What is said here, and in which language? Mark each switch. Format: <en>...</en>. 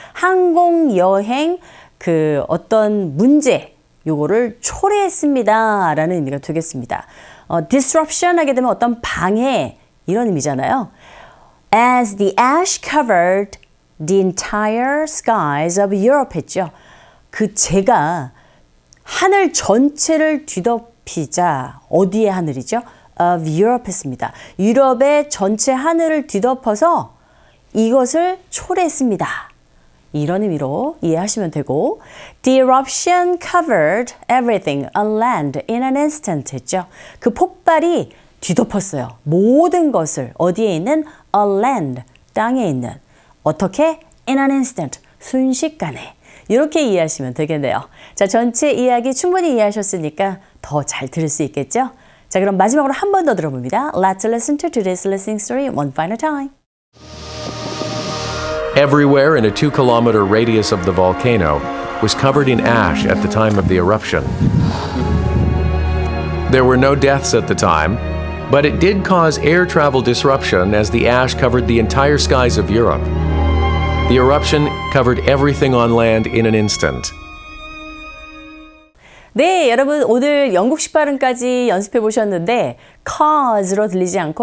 <ko>항공 여행 그 어떤 문제 요거를 초래했습니다 라는 의미가 되겠습니다. Disruption 하게 되면 어떤 방해 이런 의미잖아요.</ko> <en>As the ash covered the entire skies of Europe</en> <ko>했죠. 그 제가 하늘 전체를 뒤덮이자 어디의 하늘이죠?</ko> <en>Of Europe</en> <ko>했습니다. 유럽의 전체 하늘을 뒤덮어서 이것을 초래했습니다. 이런 의미로 이해하시면 되고</ko> <en>The eruption covered everything on land in an instant</en> <ko>했죠. 그 폭발이 뒤덮었어요. 모든 것을 어디에 있는?</ko> <en>On land,</en> <ko>땅에 있는. 어떻게?</ko> <en>In an instant,</en> <ko>순식간에. 이렇게 이해하시면 되겠네요. 자, 전체 이야기 충분히 이해하셨으니까 더 잘 들을 수 있겠죠? 자, 그럼 마지막으로 한 번 더 들어봅니다.</ko> <en>Let's listen to today's listening story one final time. Everywhere in a 2 kilometer radius of the volcano was covered in ash at the time of the eruption. There were no deaths at the time, but it did cause air travel disruption as the ash covered the entire skies of Europe. The eruption covered everything on land in an instant.</en> <ko>네, 여러분 오늘 영국식 발음까지 연습해 보셨는데 cause로 들리지 않고 cause 캐치하셨죠? 다른 점들이 있답니다.</ko>